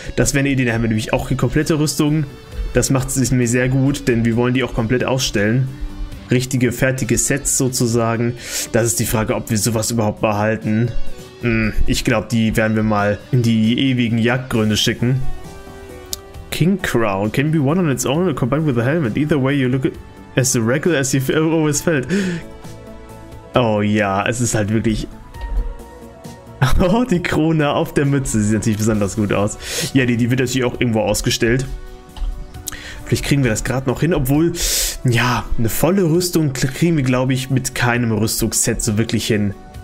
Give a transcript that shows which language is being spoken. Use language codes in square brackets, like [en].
[de] Das wäre eine Idee, da haben wir nämlich auch die komplette Rüstung. Das macht es mir sehr gut, denn wir wollen die auch komplett ausstellen. Richtige, fertige Sets sozusagen. Das ist die Frage, ob wir sowas überhaupt behalten. Ich glaube, die werden wir mal in die ewigen Jagdgründe schicken. [en] King Crown can be one on its own or combined with a helmet. Either way you look as regular as you always felt. [de] Oh ja, es ist halt wirklich... Oh, die Krone auf der Mütze sieht natürlich besonders gut aus. Ja, die wird natürlich auch irgendwo ausgestellt. Vielleicht kriegen wir das gerade noch hin, obwohl, ja, eine volle Rüstung kriegen wir, glaube ich, mit keinem Rüstungsset so wirklich hin.